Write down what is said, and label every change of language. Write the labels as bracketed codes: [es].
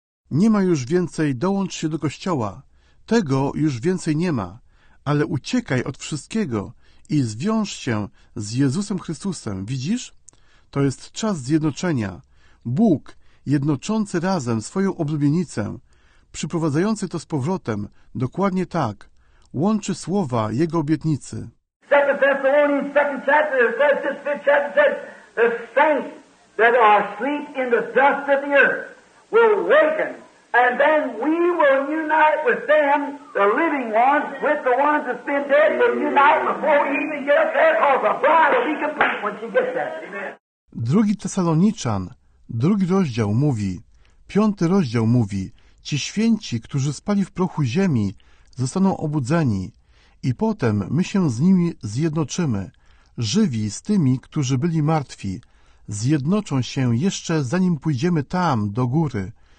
[pl] Nie ma już więcej dołącz się do Kościoła. Tego już więcej nie ma, ale uciekaj od wszystkiego i zwiąż się z Jezusem Chrystusem. Widzisz? To jest czas zjednoczenia. Bóg, jednoczący razem swoją oblubienicę, przyprowadzający to z powrotem, dokładnie tak, łączy słowa Jego obietnicy. [en] 2 Thessalonians, 2 chapter, says this 5 chapter, says the saints that are asleep in the dust of the earth will awaken. And then we will unite with them, the living ones, with the ones that's been dead, we'll unite before we even get up there, because the bride will be complete when she gets there. [pl] Drugi Tesaloniczan, drugi rozdział mówi, piąty rozdział mówi, ci święci, którzy spali w prochu ziemi, zostaną obudzeni i potem my się z nimi zjednoczymy, żywi z tymi, którzy byli martwi, zjednoczą się jeszcze zanim pójdziemy tam, do góry.